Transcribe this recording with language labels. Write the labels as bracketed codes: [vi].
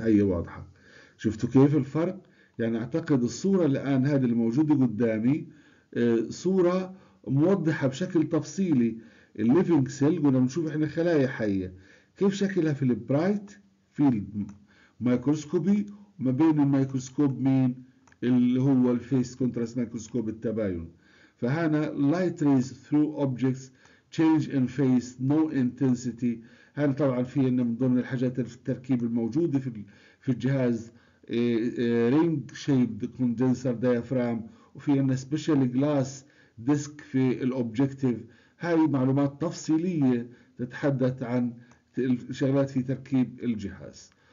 [ar] هي واضحه، شفتوا كيف الفرق؟ يعني اعتقد الصوره الان هذه الموجوده قدامي صوره موضحه بشكل تفصيلي الليفنج سيل كنا بنشوف احنا خلايا حية كيف شكلها في البرايت فيلد مايكروسكوبي، ما بين الميكروسكوب مين اللي هو الفيس كونتراست مايكروسكوب التباين. فهنا [en] light rays through objects change in phase no intensity. [ar] هنا طبعا في ان من ضمن الحاجات في التركيب الموجوده في الجهاز رينج شيبد كوندنسر ديافرام، وفي ان سبيشال جلاس ديسك في الاوبجكتيف. هاي معلومات تفصيليه تتحدث عن الشغلات في تركيب الجهاز.